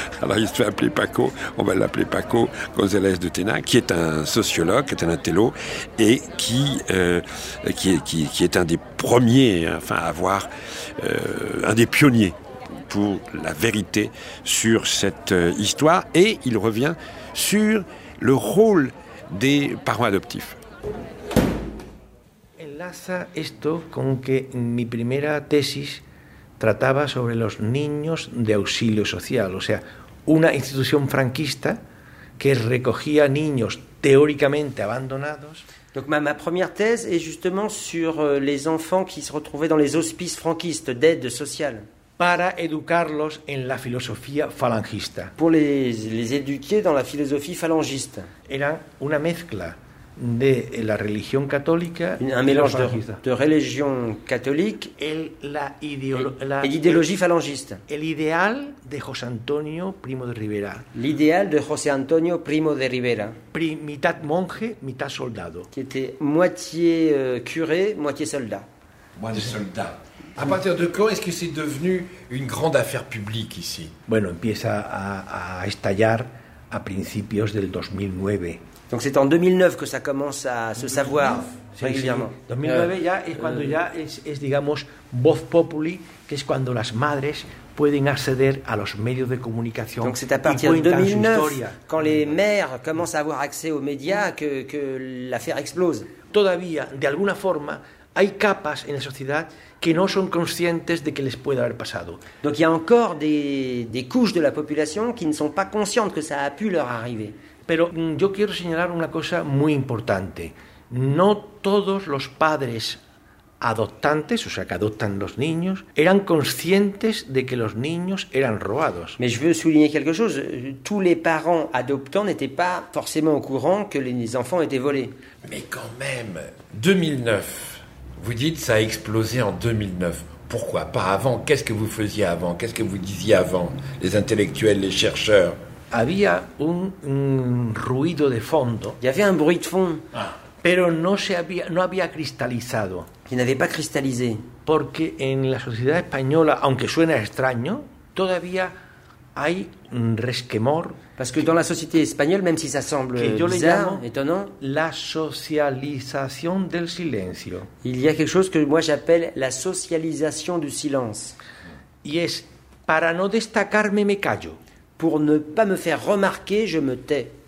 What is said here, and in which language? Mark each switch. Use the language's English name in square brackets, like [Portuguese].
[French] Alors il se fait appeler Paco, on va l'appeler Paco González de Tena, qui est un sociologue, qui est un intello, et qui est un des premiers, enfin, à avoir un des pionniers pour la vérité sur cette histoire, et il revient sur le rôle des parents adoptifs. [Spanish] Enlaza esto con que mi primera tesis trataba sobre los niños de auxilio social, o sea, una institución franquista que recogía niños teóricamente abandonados. [French] Donc ma première thèse est justement sur les enfants qui se retrouvaient dans les hospices franquistes d'aide sociale. [Spanish] Para educarlos en la filosofía falangista. [French] Pour les éduquer dans la philosophie falangiste. [Spanish] Era una mezcla de la religión católica, [French] un mélange de religión catholique et l'idéologie falangiste. [Spanish] El ideal de José Antonio Primo de Rivera. [French] L'idéal de José Antonio Primo de Rivera. [Spanish] Mitad monje, mitad soldado. [French] Qui était moitié curé, moitié soldat. Moitié soldat. À partir de quand est-ce que c'est devenu une grande affaire publique ici? [Spanish] Bueno, empieza a estallar a principios del 2009. [French] Donc c'est en 2009 que ça commence à se savoir régulièrement. [Spanish] 2009 ya es cuando ya es digamos voz populi, que es cuando las madres pueden acceder a los medios de comunicación. [French] Donc c'est à partir de 2009 quand les mères commencent à avoir accès aux médias que l'affaire explose. [Spanish] Todavía de alguna forma hay capas en la sociedad que no son conscientes de que les puede haber pasado. [French] Donc il y a encore des couches de la population qui ne sont pas conscientes que ça a pu leur arriver. [Spanish] Pero yo quiero señalar una cosa muy importante. No todos los padres adoptantes, o sea, que adoptan los niños, eran conscientes de que los niños eran robados. [French] Mais je veux souligner quelque chose. Tous les parents adoptants n'étaient pas forcément au courant que les enfants étaient volés. Mais quand même, 2009, vous dites ça a explosé en 2009. Pourquoi? Pas avant. Qu'est-ce que vous faisiez avant? Qu'est-ce que vous disiez avant? Les intellectuels, les chercheurs? [Spanish] Había un ruido de fondo. Y había un [French] bruit de fondo. [Spanish] Pero no había cristalizado. [French] Y n'avait pas cristallisé. [Spanish] Porque en la sociedad española, aunque suena extraño, todavía hay un resquemor. [French] Parce que dans la société espagnole, même si ça semble bizarre, étonnant, [Spanish] la socialización del silencio. [French] Il y a quelque chose que moi j'appelle la socialisation du silence. [Spanish] Y es para no destacarme me callo. [French] Pour ne pas me faire remarquer, je me tais.